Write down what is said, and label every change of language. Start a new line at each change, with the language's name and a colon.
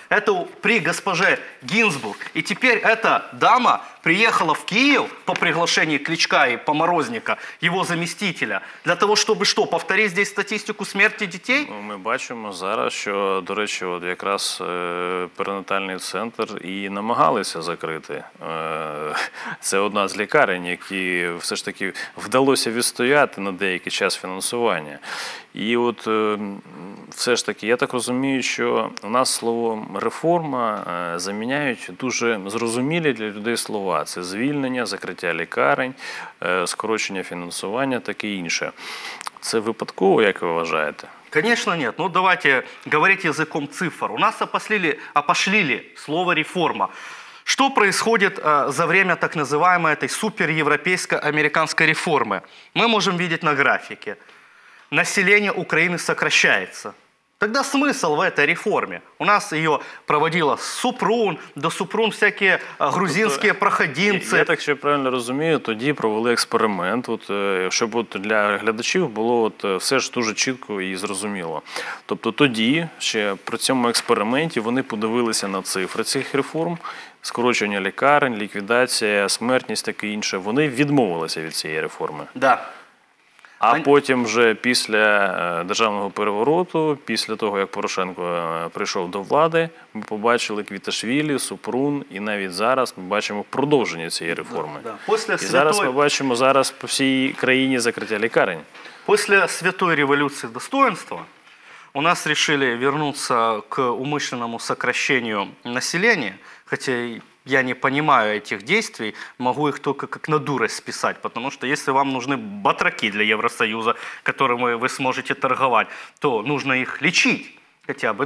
Russian: Это при госпоже Гинзбург. И теперь эта дама приехала в Киев по приглашению Кличка и Поморозника, его заместителя, для того, чтобы что, повторить здесь статистику смерти детей? Ну, мы бачимо зараз, что, до речи, вот как раз перинатальный центр и намагалися закрыть. Это одна из лекарень, которые
Ukrainian: все ж таки вдалося відстояти на деякий час фінансування. І от все ж таки, я так розумію, що у нас слово «реформа» заміняють дуже зрозумілі для людей слова. Це звільнення, закриття лікарень, скорочення фінансування, таке інше. Це випадково, як ви вважаєте? Звісно, ні. Ну, давайте говорити язиком цифр. У нас опошлили слово «реформа».
Russian: Что происходит за время так называемой этой суперевропейско-американской реформы? Мы можем видеть на графике. Население Украины сокращается. Тогда смысл в этой реформе? У нас ее проводила Супрун, до Супрун всякие грузинские проходимцы. Я так еще правильно разумею, тоді провели эксперимент, вот, чтобы вот
Ukrainian: для глядачів
Russian: было вот все же
Ukrainian: дуже чітко и зрозуміло. Тобто тоді, ще при цьому експерименті, вони подивилися на цифри цих реформ, скорочення лікарень, ліквідація, смертність, таке інше. Вони відмовилися від цієї реформи.
Russian: Да.
Ukrainian: А потім вже після державного перевороту, після того, як Порошенко прийшов до влади, ми побачили Квіташвілі, Супрун, і навіть зараз ми бачимо продовження цієї реформи.
Russian: Да, да.
Ukrainian: Після святої... І зараз ми бачимо зараз по всій країні закриття лікарень. Після святої революції достоинства у нас вирішили повернутися
Russian: к умисленому сокращенню населення, хоча я не понимаю этих действий, могу их только как на дурость списать, потому что если вам нужны батраки для Евросоюза, которыми вы сможете торговать, то нужно их лечить хотя бы.